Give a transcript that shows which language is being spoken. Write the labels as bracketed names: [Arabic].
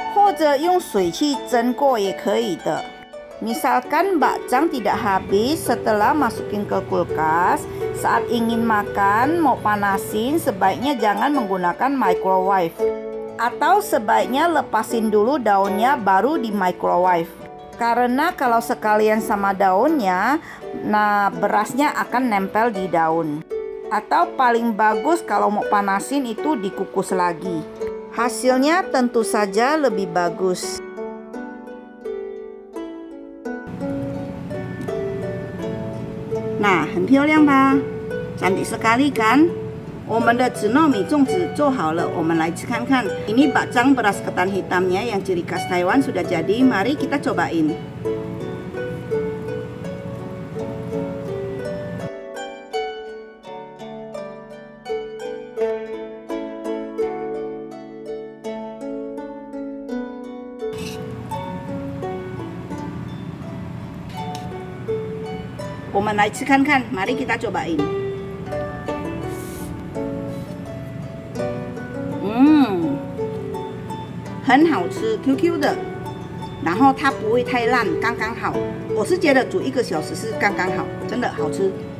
[Chinese] 比如说粽子吃不完，冰过以后想要加热的话呢，最好不要用微波炉挂叶子去微波。这样子的话呢，糯米很容易粘到叶子，最好先把叶子拔掉再去微波，或者用水去蒸过也可以的。 [Indonesian] Misalkan bakcang tidak habis setelah masukin ke kulkas, saat ingin makan, mau panasin, sebaiknya jangan menggunakan microwave. Atau sebaiknya lepasin dulu daunnya baru di microwave. Karena kalau sekalian sama daunnya, nah berasnya akan nempel di daun. Atau paling bagus kalau mau panasin itu dikukus lagi. Hasilnya tentu saja lebih bagus. Nah, [Chinese] 很漂亮吧? [Indonesian] Cantik sekali kan? [Chinese] 我们的紫糯米粽子做好了，我们来吃看看. [Indonesian] Ini bakcang beras ketan hitamnya yang ciri khas Taiwan sudah jadi. Mari kita cobain. Mari kita cobain. Enak, [Chinese] 很好吃, [Indonesian] QQ的. [Chinese] 然后它不会太烂，刚刚好。我是觉得煮一个小时是刚刚好，真的好吃。